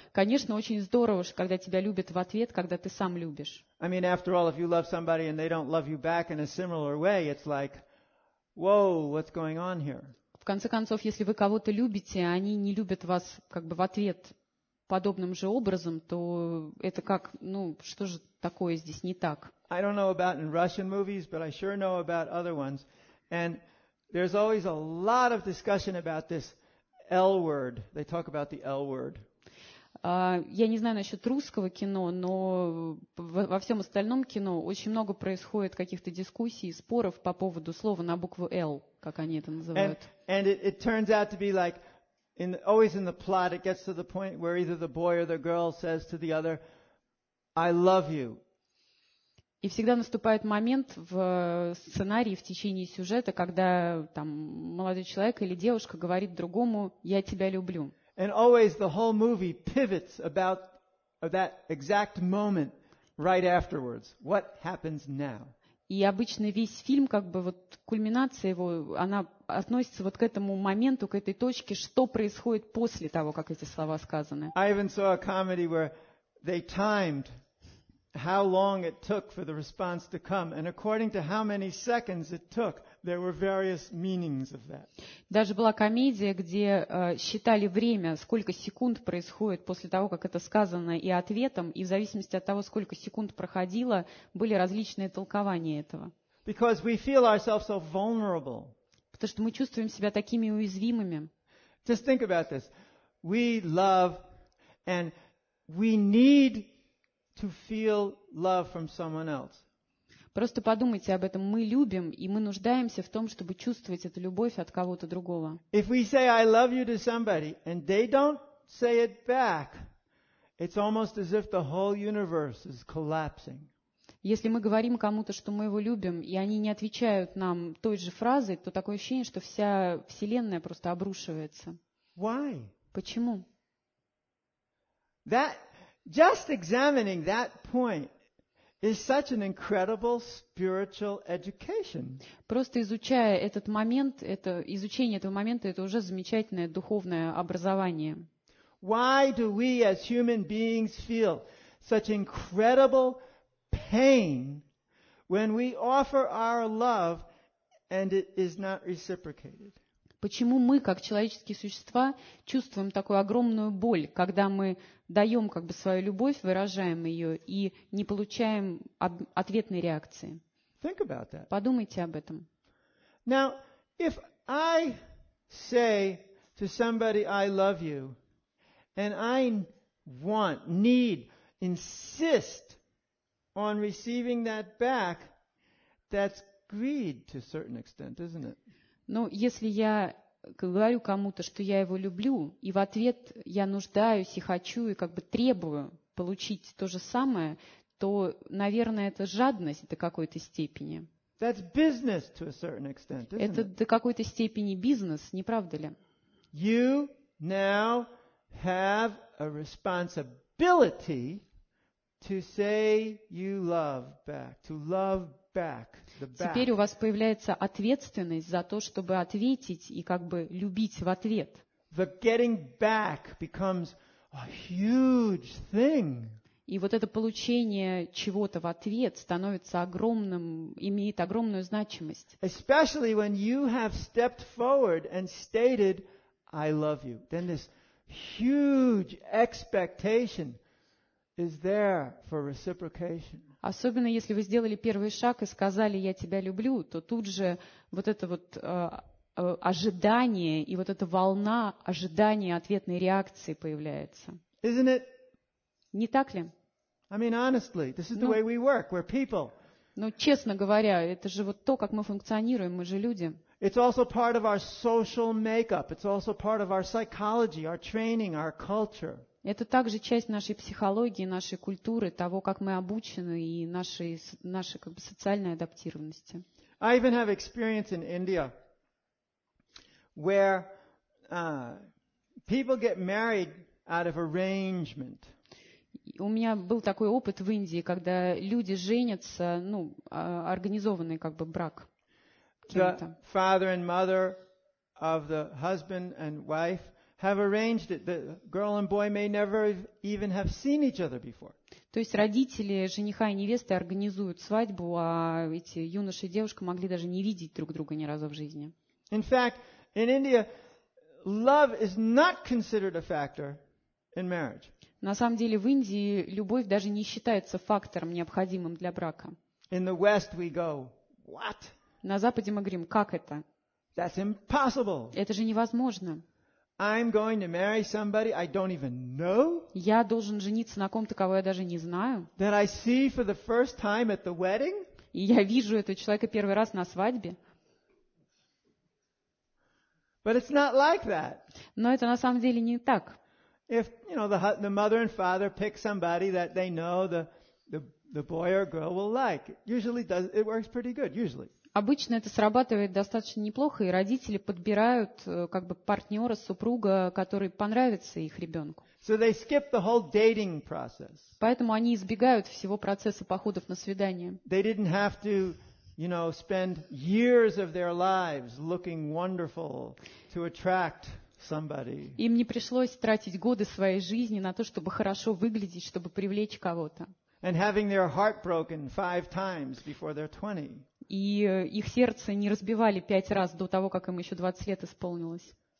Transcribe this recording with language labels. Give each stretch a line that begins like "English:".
Russian: Конечно, очень здорово, когда тебя любят в ответ, когда ты сам любишь.
English: I mean, after all, if you love somebody and they don't love you back in a similar way, it's like, whoa, what's going on here?
Russian: В конце концов, если вы кого-то любите, а они не любят вас как бы в ответ подобным же образом, то это как, ну, что же такое здесь не так?
English: I don't know about in Russian movies, but I sure know about other ones. And there's always a lot of discussion about this L word. They talk about the L word.
Russian: Я не знаю насчет русского кино, но во всем остальном кино очень много происходит каких-то дискуссий, споров по поводу слова на букву L, как они это называют.
English: And it turns out to be like, always in the plot, it gets to the point where either the boy or the girl says to the other, I love you.
Russian: И всегда наступает момент в сценарии, в течение сюжета, когда там молодой человек или девушка говорит другому, я тебя люблю.
English: And always the whole movie pivots about that exact moment right afterwards. What happens now?
Russian: И обычно весь фильм, как бы вот кульминация его, она относится вот к этому моменту, к этой точке, что происходит после того, как эти слова сказаны.
English: I even saw a comedy where they timed how long it took for the response to come, and according to how many seconds it took, there were various meanings of that.
Russian: Даже была комедия, где считали время, сколько секунд происходит после того, как это сказано, и ответом, и в зависимости от того, сколько секунд проходило, были различные толкования этого.
English: Because we feel ourselves so vulnerable.
Russian: Потому что мы чувствуем себя такими уязвимыми.
English: Just think about this. We love and we need to feel love from someone else.
Russian: Просто подумайте об этом. Мы любим, и мы нуждаемся в том, чтобы чувствовать эту любовь от кого-то другого.
English: If we say I love you to somebody and they don't say it back, it's almost as if the whole universe is collapsing.
Russian: Если мы говорим кому-то, что мы его любим, и они не отвечают нам той же фразой, то такое ощущение, что вся вселенная просто обрушивается.
English: Why?
Russian: Почему?
English: That just examining that point is such an incredible spiritual education.
Russian: Просто изучая этот момент, это изучение этого момента, это уже замечательное духовное образование.
English: Why do we as human beings feel such incredible pain when we offer our love and it is not reciprocated?
Russian: Почему мы, как человеческие существа, чувствуем такую огромную боль, когда мы даем как бы свою любовь, выражаем ее и не получаем ответной реакции?
English: Think about that.
Russian: Подумайте об этом.
English: Now, if I say to somebody I love you, and I want, need, insist on receiving that back, that's greed to a certain extent, isn't it?
Russian: Но если я говорю кому-то, что я его люблю, и в ответ я нуждаюсь и хочу, и как бы требую получить то же самое, то, наверное, это жадность до какой-то степени.
English: That's business to a certain extent, isn't
Russian: это
English: it?
Russian: До какой-то степени бизнес, не правда ли?
English: You now have a responsibility to say you love back, to love back the back.
Russian: Теперь у вас появляется ответственность за то, чтобы ответить и как бы любить в ответ.
English: The getting back becomes a huge thing.
Russian: И вот это получение чего-то в ответ становится огромным, имеет огромную значимость.
English: Especially when you have stepped forward and stated, I love you. Then this huge expectation is there for reciprocation.
Russian: Особенно если вы сделали первый шаг и сказали, я тебя люблю, то тут же вот это вот ожидание и вот эта волна ожидания ответной реакции появляется.
English: Isn't it?
Russian: Не так ли?
English: I mean, honestly, this is the way we work. We're people.
Russian: Ну, честно говоря, это же вот то, как мы функционируем. Мы же люди.
English: It's also part of our social makeup. It's also part of our psychology, our training, our culture.
Russian: Это также часть нашей психологии, нашей культуры, того, как мы обучены и нашей как бы социальной адаптированности.
English: I even have experience in India, where people get married out of arrangement.
Russian: У меня был такой опыт в Индии, когда люди женятся, ну, организованный как бы брак.
English: The father and mother of the husband and wife have arranged it. The girl and boy may never even have seen each other before.
Russian: То есть родители жениха и невесты организуют свадьбу, а эти юноша и девушка могли даже не видеть друг друга ни разу в жизни.
English: In fact, in India, love is not considered a factor in marriage.
Russian: На самом деле, в Индии любовь даже не считается фактором, необходимым для брака.
English: In the West we go, what?
Russian: На Западе мы говорим, как это?
English: That's impossible.
Russian: Это же невозможно.
English: I'm going to marry somebody I don't even know?
Russian: Я должен жениться на ком-то, кого я даже не знаю?
English: That I see for the first time at the wedding?
Russian: И я вижу этого человека первый раз на свадьбе?
English: But it's not like that.
Russian: Но это на самом деле не так.
English: If you know the mother and father pick somebody that they know the boy or girl will like, usually does it works pretty good. Usually.
Russian: Обычно это срабатывает достаточно неплохо, и родители подбирают как бы партнера, супруга, который понравится их ребенку.
English: So they skip the whole dating process.
Russian: Поэтому они избегают всего процесса походов на свидание.
English: They didn't have to, you know, spend years of their lives looking wonderful to attract.
Russian: Им не пришлось тратить годы своей жизни на то, чтобы хорошо выглядеть, чтобы привлечь кого-то.
English: And having their heart broken five times before they're 20.
Russian: И их сердце не разбивали пять раз до того, как им еще 20 лет исполнилось.